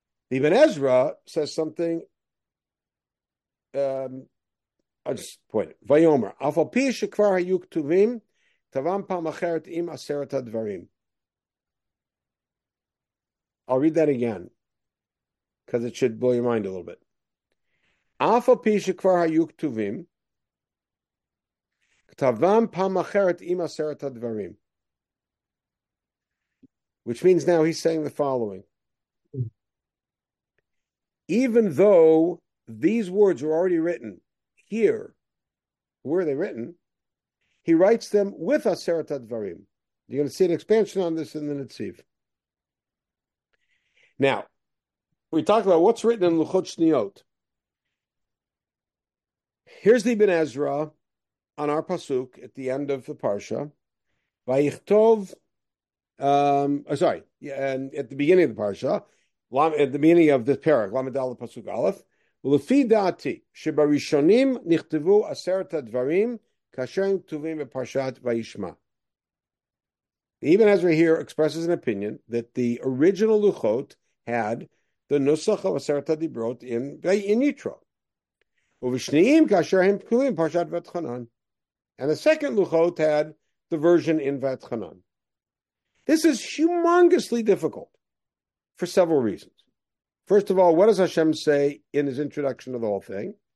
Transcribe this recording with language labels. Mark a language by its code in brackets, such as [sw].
[en] Ibn Ezra says something I'll read that again because it should blow your mind a little bit. [he] אף על פי שכבר היו כתובים, כתבם פעם אחרת עם עשרת הדברים. [en] Which means now he's saying the following. Even though these words were already written here, where are they written? He writes them with Aseret HaDvarim. You're going to see an expansion on this in the Netziv. Now, we talk about what's written in Luchot Shniot. Here's the Ibn Ezra on our Pasuk at the end of the Parsha. Vayichtov, and at the beginning of the Parsha, at the beginning of this parak, Lamed Aleph Pasuk Aleph, [he] ולפי דעתי, שבראשונים נכתבו עשרת הדברים, כאשר הם כתובים בפרשת וישמע. [en] Ibn Ezra here expresses an opinion that the original Luchot had the nusach of עשרת הדיברות in Yitro. [he] ובשניים, כאשר הם כתובים בפרשת ותחנן. [en] And the second Luchot had the version in ותחנן. This is humongously difficult for several reasons. First of all, what does Hashem say in his introduction to the whole thing?